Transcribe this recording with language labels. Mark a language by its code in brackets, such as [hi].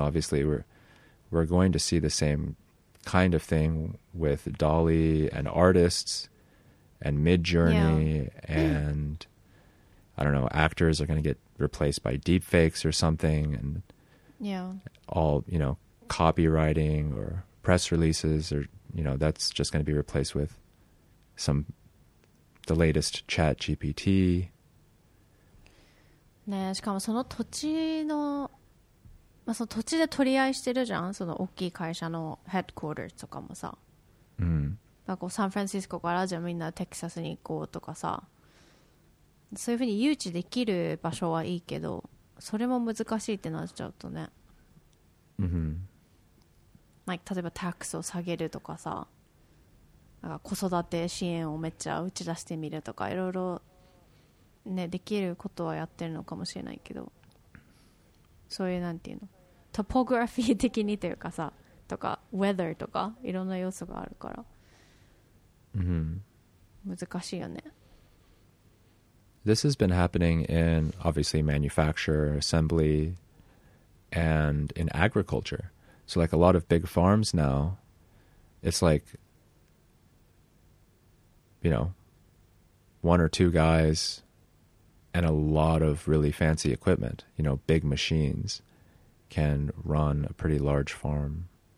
[en] Obviously, we're going to see the same kind of thing with DALL-E and artists and Midjourney and I don't know, actors are going to get replaced by deepfakes or something, and all, you know, copywriting or press releases, or, you know, that's just going to be replaced with the latest ChatGPT. [ja] ね、しかもその土地の、まあ、その土地で取り合いしてるじゃん、その大きい会社のヘッドクォーターとかもさ、だからこうサンフランシスコからじゃあみんなテキサスに行こうとかさ、そういうふうに誘致できる場所はいいけど、それも難しいってなっちゃうとね、 like, 例えばタックスを下げるとかさ、なんか子育て支援をめっちゃ打ち出してみるとか、いろいろね、できることはやってるのかもしれないけど、そういうなんていうの、トポグラフィー的にというかさ、とかウェザーとかいろんな要素があるから、難しいよね。 [en] This has been happening in obviously manufacture, assembly, and in agriculture. So like a lot of big farms now, it's like, you know, one or two guys and a lot of really fancy equipment, you know, big machines can run a pretty large farm.